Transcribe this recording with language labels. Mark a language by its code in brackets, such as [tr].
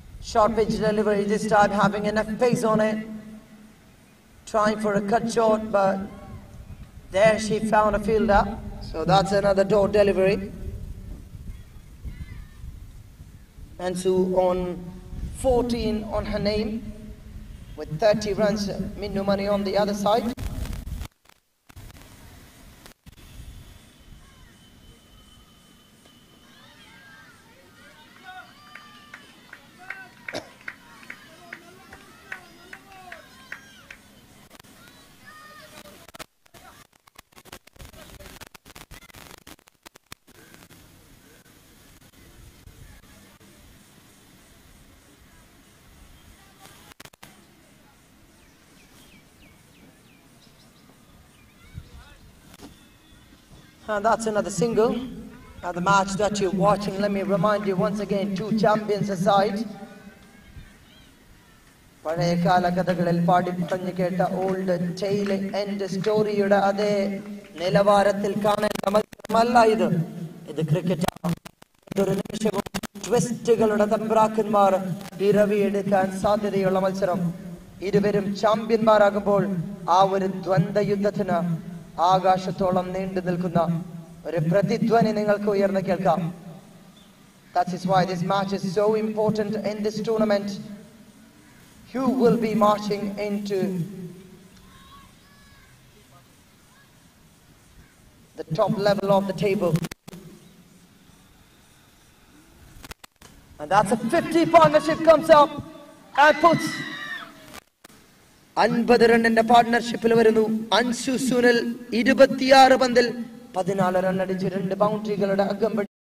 [en] Short pitch delivery this time having enough pace on it trying for a cut shot but there she found a fielder so that's another dot delivery and so on 14 on her name. With 30 runs, Minnu Mani on the other side. And that's another single. Now the match that you're watching, let me remind you once again, two champions aside. [ml] പഴയ കാല കഥകളിൽ പാടി പറഞ്ഞു കേട്ട [en] old tale and സ്റ്റോറിയുടെ [ml] അതേ നിലവാരത്തിൽ കാണേണ്ട മത്സരമല്ല ഇത്. ഇത് ക്രിക്കറ്റ് ഒരു നിമിഷവും ട്വിസ്റ്റുകളുടെ തമ്പ്രാക്കന്മാർ പിറവിയെടുക്കാൻ സാധ്യതയുള്ള മത്സരം. ഇരുവരും ചാമ്പ്യന്മാരാകുമ്പോൾ ആ ഒരു ദ്വന്ദ്വ യുദ്ധത്തിന് ആകാശത്തോളം നീണ്ടു നിൽക്കുന്ന ഒരു പ്രതിധ്വനി നിങ്ങൾക്ക് ഉയർന്നു കേൾക്കാം. [en] That is why this match is so important in this tournament. Who will be marching into the top level of the table? And that's a 50 partnership comes up and puts 50 [ml] റണ്ണിന്റെ പാർട്ട്ണർഷിപ്പിൽ വരുന്നു അൻസു സുനിൽ. 26 പന്തിൽ 14 റണ്ണടിച്ച് രണ്ട് ബൗണ്ടറികളുടെ അകം പിടി.